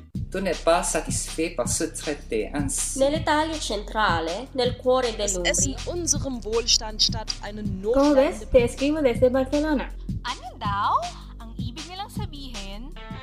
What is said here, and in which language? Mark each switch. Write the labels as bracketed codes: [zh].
[fr] Tu ne pa satisfait par ce traité ainsi. [it] Nell'Italia centrale, nel cuore dell'Umbria. [de] Es ist in unserem Wohlstand statt eine Notlande. [es] Como ves, te escribo desde Barcelona. [tl] Ano daw? Ang ibig nilang sabihin...